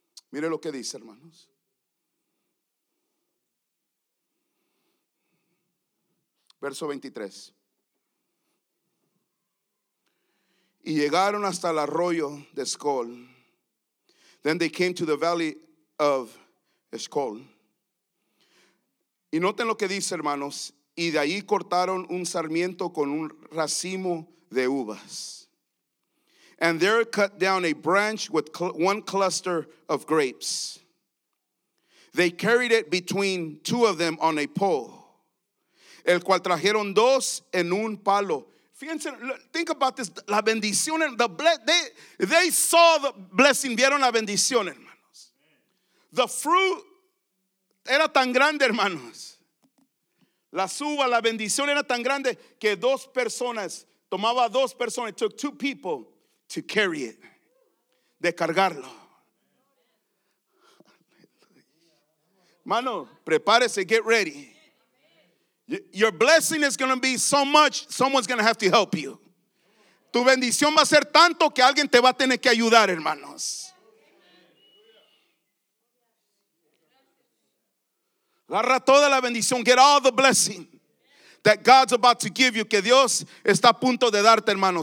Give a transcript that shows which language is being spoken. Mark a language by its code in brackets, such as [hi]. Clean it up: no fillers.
[es] Mire lo que dice, hermanos. Verso 23. Y llegaron hasta el arroyo de Escol. [en] Then they came to the valley of Escol. [es] Y noten lo que dice, hermanos. Y de ahí cortaron un sarmiento con un racimo de uvas. [en] And there cut down a branch with one cluster of grapes. They carried it between two of them on a pole, [es] el cual trajeron dos en un palo. Fíjense, [en] think about this, [es] la bendición, [en] they saw the blessing, [es] vieron la bendición, hermanos. [en] The fruit [es] era tan grande, hermanos. La uva, la bendición era tan grande que dos personas, tomaba dos personas, [en] it took two people to carry it, [es] de cargarlo. Mano, prepárese, [en] get ready. Your blessing is going to be so much, someone's going to have to help you. [es] Tu bendición va a ser tanto que alguien te va a tener que ayudar, hermanos. Agarra toda la bendición. [en] Get all the blessing that God's about to give you. [es] Que Dios está a punto de darte, hermano.